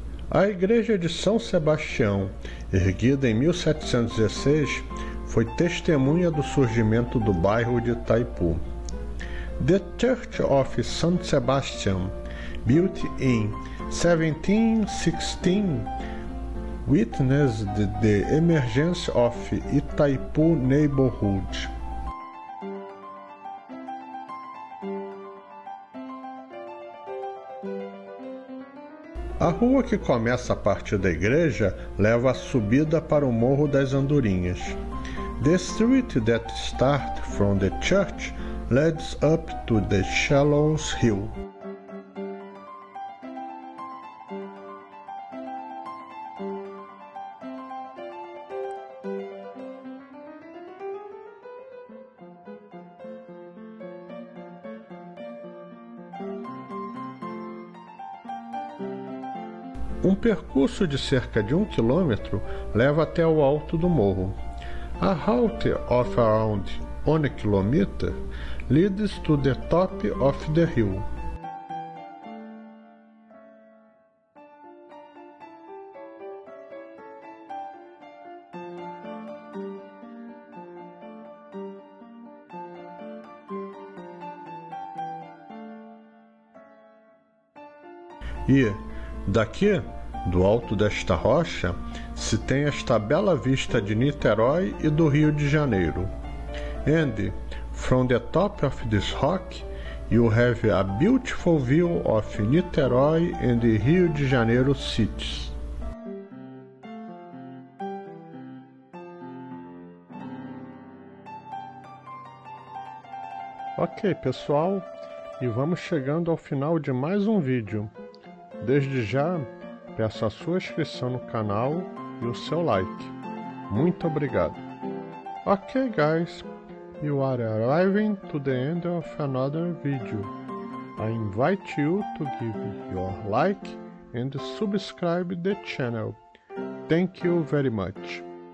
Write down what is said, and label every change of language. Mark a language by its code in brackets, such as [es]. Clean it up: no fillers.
[pt] A Igreja de São Sebastião, erguida em 1716, foi testemunha do surgimento do bairro de Taipu. [en] The Church of St. Sebastian, built in 1716, witnessed the emergence of Itaipu neighborhood. [pt] A rua que começa a partir da igreja leva a subida para o Morro das Andorinhas. [en] The street that starts from the church leads up to the Shallows Hill. [pt] Um percurso de cerca de 1 quilômetro leva até o alto do morro. [en] A route of around 1 kilometer leads to the top of the hill. [pt] E daqui, do alto desta rocha, se tem esta bela vista de Niterói e do Rio de Janeiro. [en] And from the top of this rock, you have a beautiful view of Niterói and the Rio de Janeiro cities. [pt] Ok, pessoal, E vamos chegando ao final de mais um vídeo. Desde já, peço a sua inscrição no canal e o seu like. Muito obrigado. [en] Ok, guys. You are arriving to the end of another video. I invite you to give your like and subscribe the channel. Thank you very much.